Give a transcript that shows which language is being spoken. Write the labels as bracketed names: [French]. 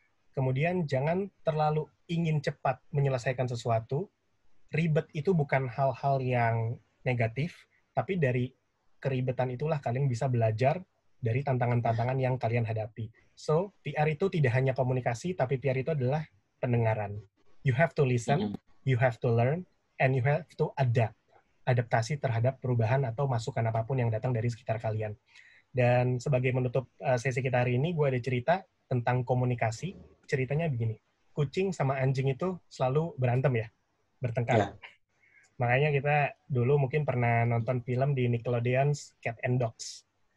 [Indonesian] Kemudian, jangan terlalu ingin cepat menyelesaikan sesuatu. Ribet itu bukan hal-hal yang negatif, tapi dari keribetan itulah kalian bisa belajar dari tantangan-tantangan yang kalian hadapi. So, PR itu tidak hanya komunikasi, tapi PR itu adalah pendengaran. [English] You have to listen, you have to learn, and you have to adapt. [Indonesian] Adaptasi terhadap perubahan atau masukan apapun yang datang dari sekitar kalian. Dan sebagai menutup sesi kita hari ini, gue ada cerita tentang komunikasi. Ceritanya begini, kucing sama anjing itu selalu berantem ya, bertengkar. Yeah. Makanya kita dulu mungkin pernah nonton film di Nickelodeon's Cat and Dogs.